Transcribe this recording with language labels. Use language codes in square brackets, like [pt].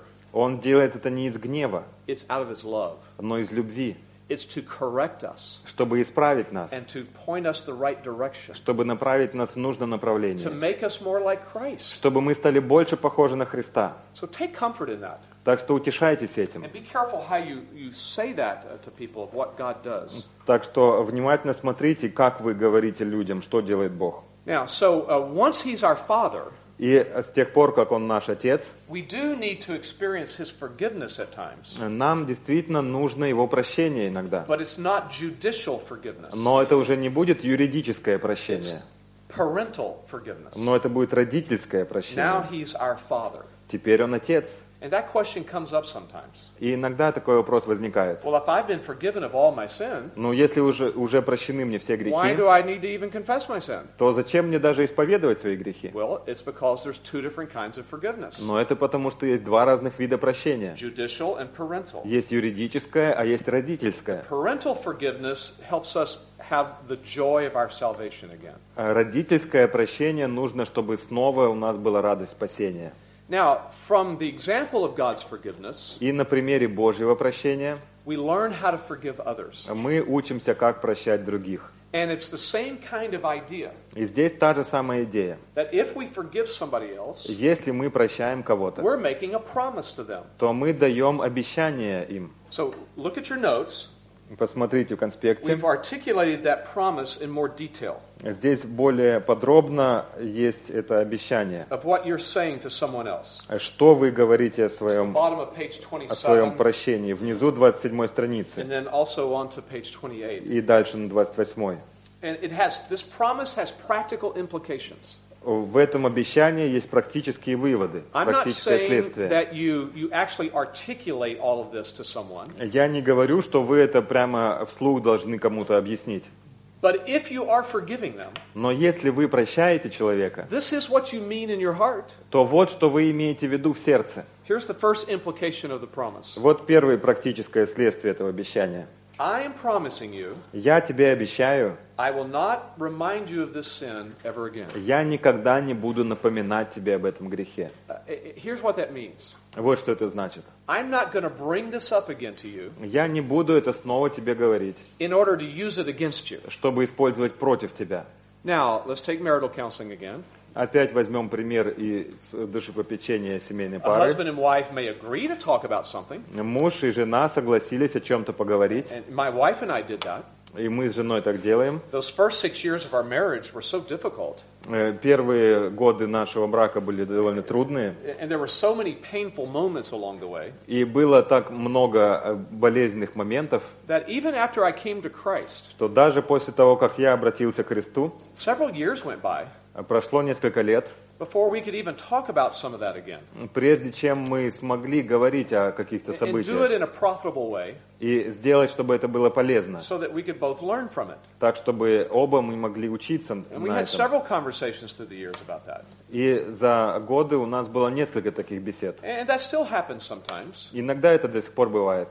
[ru] Он делает это не из гнева, но из любви. [en] It's to correct us. [ru] Чтобы исправить нас. [en] And to point us the right direction. [ru] Чтобы направить нас в нужное направление. [en] To make us more like Christ. [ru] Чтобы мы стали больше похожи на Христа. [en] So take comfort in that. [ru] Так что утешайтесь этим. [en] And be careful how you say that to people of what God does. [ru] Так что внимательно смотрите, как вы говорите людям, что делает Бог. [en] Now, so once he's our father, [ru] и с тех пор, как Он наш Отец, [en] we do need to experience his forgiveness at times. [ru] Нам действительно нужно Его прощение иногда. [en] But it's not judicial forgiveness. [ru] Но это уже не будет юридическое прощение. [en] It's parental forgiveness. [ru] Но это будет родительское прощение. [en] Now he's our father. [ru] Теперь он отец. [en] And that question comes up sometimes. [ru] И иногда такой вопрос возникает. [en] Well, if I've been forgiven of all my sin, [ru] ну, если уже прощены мне все грехи, [en] why do I need to even confess my sin? [ru] То зачем мне даже исповедовать свои грехи? [en] Well, it's because there's two different kinds of forgiveness. [ru] Но это потому, что есть два разных вида прощения. [en] Judicial and parental. [ru] Есть юридическое, а есть родительское. [en] Parental forgiveness helps us have the joy of our salvation again. [ru] Родительское прощение нужно, чтобы снова у нас была радость спасения. [en] Now, from the example of God's forgiveness, [ru] и на примере Божьего прощения, [en] we learn how to forgive others. [ru] Мы учимся, как прощать других. [en] And it's the same kind of idea. [ru] И здесь та же самая идея. [en] That if we forgive somebody else, [ru] если мы прощаем кого-то, [en] we're making a promise to them. [ru] То мы даем обещание им. [en] So, look at your notes. [ru] Посмотрите в конспекте. [en] We've articulated that promise in more detail. [ru] Здесь более подробно есть это обещание. [en] Of what you're saying to someone else. [ru] Что вы говорите о своем прощении. Внизу 27 страницы. [en] And then also on to page 28. [ru] И дальше на 28. [en] And it has, this promise has practical implications. [ru] В этом обещании есть практические выводы, практическое следствие. Я не говорю, что вы это прямо вслух должны кому-то объяснить. [en] But if you are forgiving them, [ru] но если вы прощаете человека, [en] this is what you mean in your heart. [ru] То вот что вы имеете в виду в сердце. [en] Here's the first implication of the promise. [ru] Вот первое практическое следствие этого обещания. [en] I am promising you, [ru] я тебе обещаю, [en] I will not remind you of this sin ever again. [ru] Я никогда не буду напоминать тебе об этом грехе. [en] Here's what that means. [ru] Вот что это значит. [en] I'm not going to bring this up again to you. [ru] Я не буду это снова тебе говорить. [en] In order to use it against you. [ru] Чтобы использовать против тебя. [en] Now, let's take marital counseling again. [ru] Опять возьмем пример из душепопечения семейной пары. [en] A husband and wife may agree to talk about something. [ru] Муж и жена согласились о чем-то поговорить. [en] And my wife and I did that. [ru] И мы с женой так делаем. [en] Those first 6 years of our marriage were so difficult. [ru] Первые годы нашего брака были довольно трудные. [en] And there were so many painful moments along the way. [ru] И было так много болезненных моментов. [en] That even after I came to Christ. [ru] Что даже после того, как я обратился к Христу. [en] Several years went by. [ru] Прошло несколько лет. [en] Before we could even talk about some of that again. [ru] Прежде чем мы смогли говорить о каких-то событиях. [en] And do it in a profitable way. [ru] И сделать, чтобы это было полезно. [en] So that we could both learn from it. [ru] Так, чтобы оба мы могли учиться на этом. [en] And we had several conversations through the years about that. [ru] И за годы у нас было несколько таких бесед. [en] And that still happens sometimes. [ru] Иногда это до сих пор бывает.